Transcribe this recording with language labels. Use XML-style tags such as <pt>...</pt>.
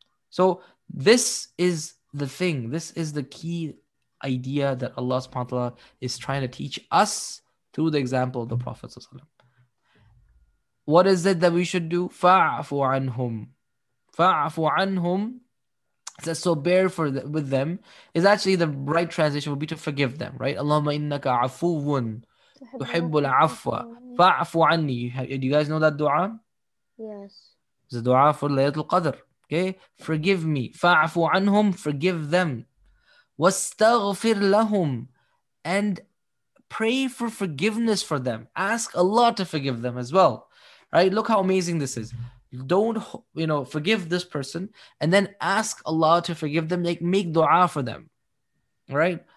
<en>So this is the thing. This is the key idea that Allah subhanahu wa ta'ala is trying to teach us through the example of the Prophet sallallahu alaihi wasallam. What is it that we should do?</en> <ar>فَاعْفُ عَنْهُمْ فَاعْفُ عَنْهُمْ</ar> <en>So bear with them. Is actually the right translation would be to forgive them, right?</en> <ar>اللَّهُمَّ إِنَّكَ عَفُوٌ تُحِبُّ الْعَفْوَ فَاعْفُ عَنِّي</ar> <en>Do you guys know that dua? Yes. It's a dua for Laylatul Qadr. Okay? Forgive me.</en> <ar>فَاعْفُ عَنْهُمْ</ar> <en>Forgive them.</en> <ar>وَاسْتَغْفِرْ لَهُمْ</ar> <en>And pray for forgiveness for them. Ask Allah to forgive them as well. Right, look how amazing this is. Don't, you know, forgive this person and then ask Allah to forgive them, like make dua for them. Right?</en>